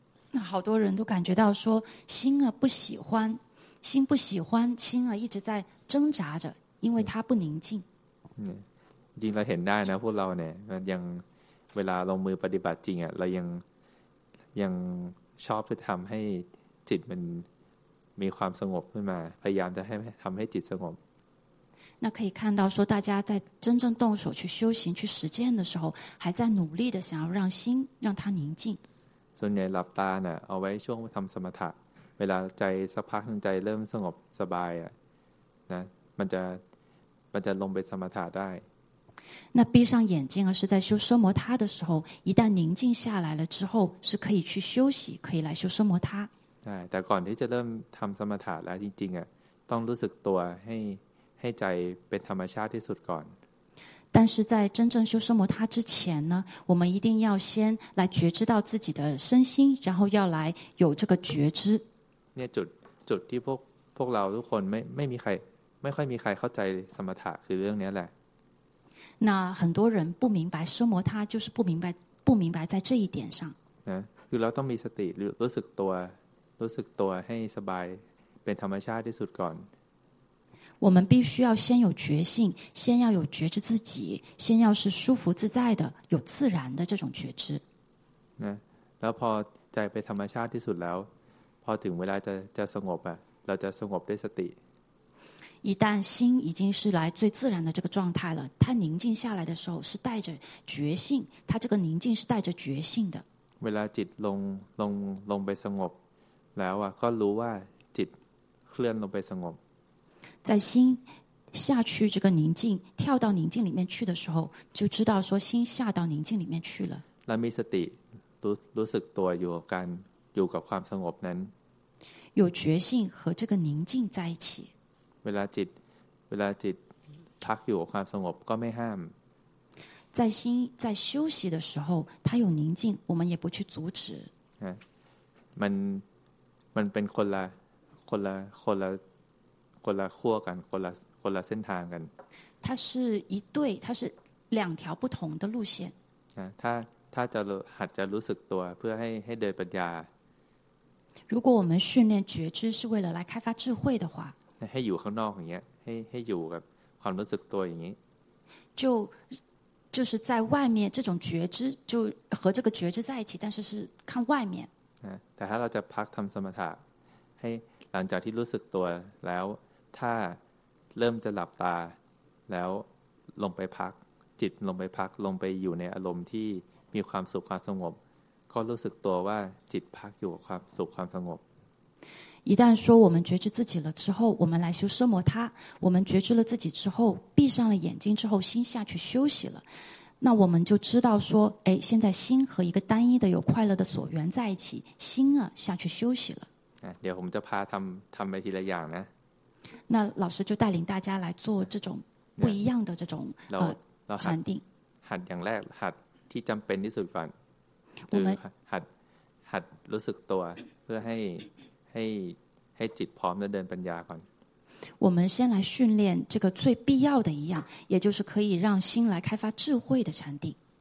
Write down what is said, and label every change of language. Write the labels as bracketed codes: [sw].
[zh] 那好多人都感觉到说心啊不喜欢心不喜欢心啊一直在挣扎着因为它不宁静 [th] จริงเราเห็นได้นะพวกเราเนี่ยยังเวลาลงมือปฏิบัติจริงอ่ะเรายังชอบจะทำให้จิตมันมีความสงบขึ้นมาพยายามจะให้ทำให้จิตสงบ [zh] 那可以看到说大家在真正动手去修行去实践的时候还在努力的想要让心让它宁静 [th] ส่วนใหญ่หลับตาเนี่ยเอาไว้ช่วงทำสมถะเวลาใจสักพักนึงใจเริ่มสงบสบายอ่ะนะมันจะลงไปสมถะได้ [zh] 那闭上眼睛而是在修奢摩他的时候，一旦宁静下来了之后，是可以去休息，可以来修奢摩他。哎，但 [th] ก่อนที่จะเริ่มทำสมถะแล้วจริงๆอ่ะต้องรู้สึกตัวให้ใจเป็นธรรมชาติที่สุดก่อน。 [zh] 但是在真正修奢摩他之前呢，我们一定要先来觉知到自己的身心，然后要来有这个觉知。 [th] เนี่ยจุดที่พวกเราทุกคนไม่มีใครไม่ค่อยมีใครเข้าใจสมถะคือเรื่องนี้แหละ。 [zh] 那很多人不明白奢摩他就是不明白在这一点上 [th] คือเราต้องมีสติรู้สึกตัวให้สบายเป็นธรรมชาติที่สุดก่อน [zh] 我们必须要先有觉性先要有觉知自己先要是舒服自在的有自然的这种觉知 [th] แล้วพอใจเป็นธรรมชาติที่สุดแล้วพอถึงเวลาจะสงบอ่ะเราจะสงบด้วยสติ [zh] 一旦心已经是来最自然的这个状态了，它宁静下来的时候是带着觉性，它这个宁静是带着觉性的。 [th] เวลาจิตลงไปสงบแล้วอ่ะก็รู้ว่าจิตเคลื่อนลงไปสงบ。 [zh] 在心下去这个宁静，跳到宁静里面去的时候，就知道说心下到宁静里面去了。 [th] แล้วมีสติรู้สึกตัวอยู่กับการอยู่กับความสงบนั้น。 [zh] 有觉性和这个宁静在一起。 [th] เวลาจิตพักอยู่กับความสงบก็ไม่ห้าม [zh] 在心在休息的时候它有宁静我们也不去阻止 [th] มันเป็นคนละขั้วกันคนละเส้นทางกัน [zh] 它是一对它是两条不同的路线 [th] ถ้าจะหัดจะรู้สึกตัวเพื่อให้เดินปัญญา [zh] 如果我们训练觉知是为了来开发智慧的话 [th] ให้อยู่ข้างนอกอย่างเงี้ยให้อยู่กับความรู้สึกตัวอย่างนี้ [zh] 就是在外面这种觉知就和这个觉知在一起但是是看外面 [th] แต่ถ้าเราจะพักทำสมถะให้หลังจากที่รู้สึกตัวแล้วถ้าเริ่มจะหลับตาแล้วลงไปพักจิตลงไปพักลงไปอยู่ในอารมณ์ที่มีความสุขความสงบก็รู้สึกตัวว่าจิตพักอยู่กับความสุขความสงบ [zh] 一旦说我们觉知自己了之后我们来修奢摩他我们觉知了自己之后闭上了眼睛之后心下去休息了那我们就知道说哎，现在心和一个单一的有快乐的所缘在一起心啊下去休息了 [th] เดี๋ยวผมจะพาทำไปทีละอย่างนะ [zh] 那老师就带领大家来做这种不一样的这种禅定 [th] หัดอย่างแรกหัดที่จำเป็นที่สุดก่อน คือ หัดรู้สึกตัวเพื่อให้จิตพร้อมจะเดินปัญญาก่อน [zh] 我们先来训练这个最必要的一样也就是可以让心来开发智慧的禅定